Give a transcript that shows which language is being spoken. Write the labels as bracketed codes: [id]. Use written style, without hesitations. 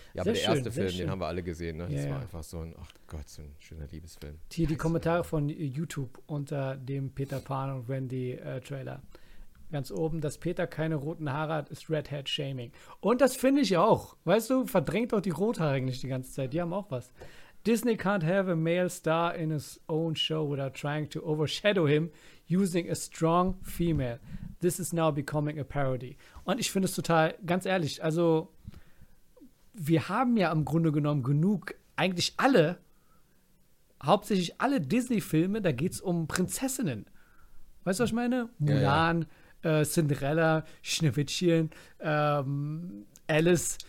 [de] Ja, aber sehr der erste schön, Film, den schön. Haben wir alle gesehen, ne? Das war einfach so ein, ach Gott, so ein schöner Liebesfilm. Hier die Kommentare von YouTube unter dem Peter Pan und Wendy Trailer. Ganz oben, dass Peter keine roten Haare hat, ist Redhead-Shaming. Und das finde ich auch. Weißt du, verdrängt doch die Rothaarigen nicht die ganze Zeit. Die haben auch was. [en] Disney can't have a male star in his own show without trying to overshadow him using a strong female. This is now becoming a parody. [de] Und ich finde es total, ganz ehrlich, also wir haben ja im Grunde genommen genug, eigentlich alle, hauptsächlich alle Disney-Filme, da geht es um Prinzessinnen. Weißt du, was ich meine? Mulan, Cinderella, Schneewittchen, Alice.